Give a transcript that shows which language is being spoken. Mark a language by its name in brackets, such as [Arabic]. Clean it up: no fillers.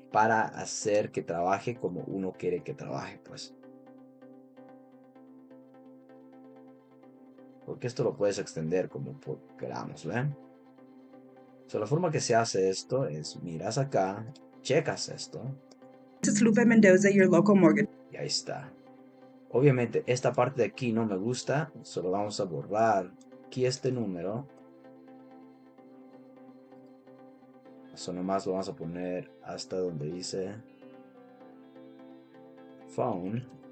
[Spanish] Para hacer que trabaje como uno quiere que trabaje, pues. Porque esto lo puedes extender como queramos, ¿ven? So, la forma que se hace esto es, miras acá, checas esto. [English] This is Lupe Mendoza, your local mortgage. [Spanish] Y ahí está. Obviamente, esta parte de aquí no me gusta, solo vamos a borrar aquí este número. Eso nomás lo vamos a poner hasta donde dice phone.